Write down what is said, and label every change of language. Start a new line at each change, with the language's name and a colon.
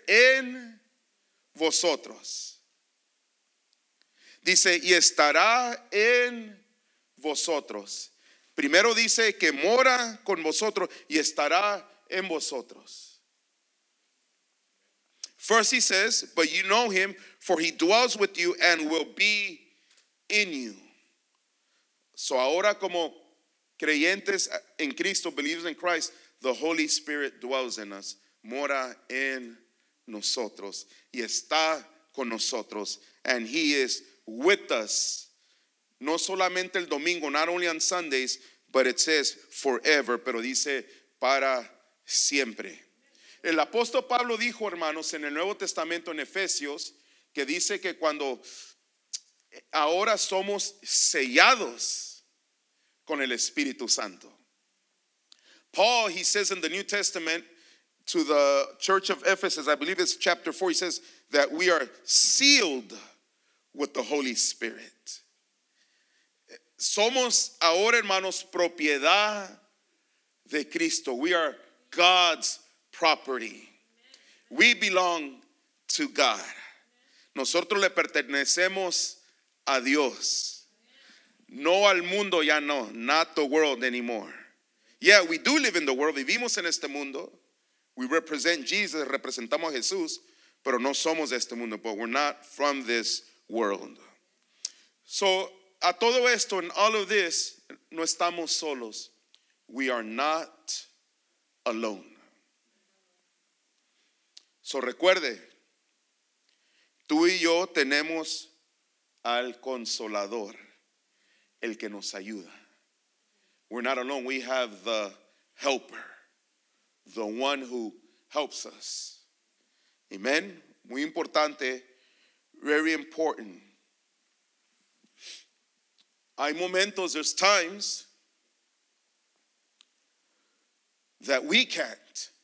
Spanish: En vosotros. Dice, y estará en vosotros. Primero dice que mora con vosotros y estará en vosotros.
English: First he says, but you know him, for he dwells with you and will be in you.
Spanish: So ahora como creyentes en Cristo,
English: believers in Christ, the Holy Spirit dwells in us,
Spanish: mora en nosotros y está con nosotros,
English: and he is with us,
Spanish: no solamente el domingo,
English: not only on Sundays, but it says forever,
Spanish: pero dice para siempre. El apóstol Pablo dijo, hermanos, en el Nuevo Testamento, en Efesios, que dice que cuando ahora somos sellados con el Espíritu Santo.
English: Paul, he says in the New Testament to the church of Ephesus, I believe it's chapter 4, he says that we are sealed with the Holy Spirit.
Spanish: Somos ahora, hermanos, propiedad de Cristo.
English: We are God's property. We belong to God.
Spanish: Nosotros le pertenecemos a Dios. No al mundo, ya no.
English: Not the world anymore. Yeah, we do live in the world.
Spanish: Vivimos en este mundo.
English: We represent Jesus.
Spanish: Representamos a Jesús. Pero no somos de este mundo.
English: But we're not from this world.
Spanish: So, a todo esto,
English: in all of this,
Spanish: no estamos solos.
English: We are not alone.
Spanish: So, recuerde, tú y yo tenemos al Consolador, el que nos ayuda.
English: We're not alone. We have the Helper, the one who helps us.
Spanish: Amen. Muy importante.
English: Very important.
Spanish: Hay momentos,
English: there's times that we can't.